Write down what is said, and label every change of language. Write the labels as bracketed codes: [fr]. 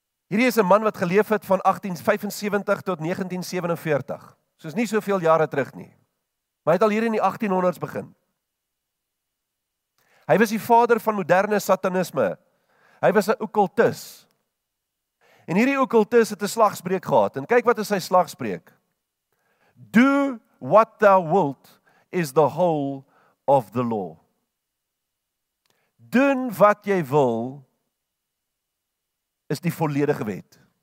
[af] Hierdie is 'n man wat geleef het van 1875 tot 1947, so is nie soveel jare terug nie, maar hy het al hier in die 1800s begin. Hy was die vader van moderne satanisme. Hy was 'n okkultus. En hierdie okkultus het 'n slagspreuk gehad. En kyk wat is sy slagspreuk. [en] Do what thou wilt is the whole of the law. [af] Doen wat jy wil is die volledige wet.